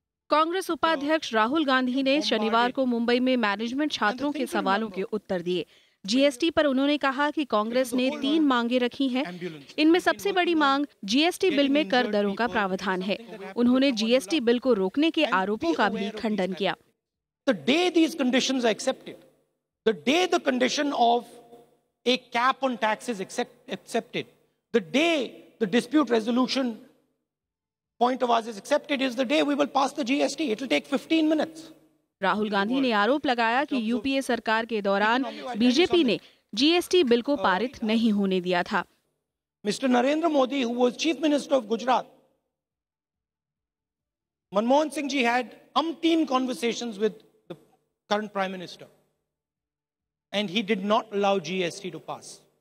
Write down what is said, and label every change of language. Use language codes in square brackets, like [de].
[hi] कांग्रेस उपाध्यक्ष राहुल गांधी ने शनिवार को मुंबई में मैनेजमेंट छात्रों के सवालों के उत्तर दिए। जीएसटी पर उन्होंने कहा कि कांग्रेस ने 3 मांगे रखी हैं। इनमें सबसे बड़ी मांग जीएसटी बिल में कर दरों का प्रावधान है। उन्होंने जीएसटी बिल को रोकने के आरोपों का भी खंडन किया। [en] The day these conditions are accepted, the day the condition of a cap on tax is accepted, the day the dispute resolution point of ours is accepted is the day we will pass the GST. It will take 15 minutes. [hi] Rahul Gandhi ने आरोप लगाया कि UPA सरकार के दौरान BJP ने GST bill को पारित नहीं होने दिया था। [en] Mister Narendra Modi who was chief minister of Gujarat Manmohan Singh ji had umpteen conversations with the current prime minister and he did not allow GST to pass.